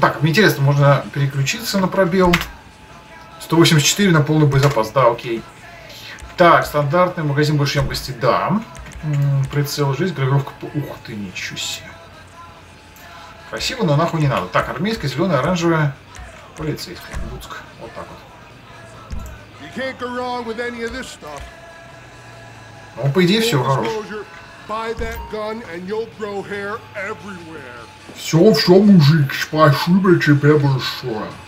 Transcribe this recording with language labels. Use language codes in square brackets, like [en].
[ru] Так, мне интересно, можно переключиться на пробел. 184 на полный боезапас. Да, окей. Так, стандартный магазин больше емкости, да. Прицел, жизнь, гравировка. Ух ты, ничего себе. Красиво, но нахуй не надо. Так, армейская, зеленая, оранжевая, полицейская, Луцк. Вот так вот. [en] You can't go wrong with any of this stuff. [ru] Ну, по идее, все хорош. Все, все, мужик, спасибо тебе большое.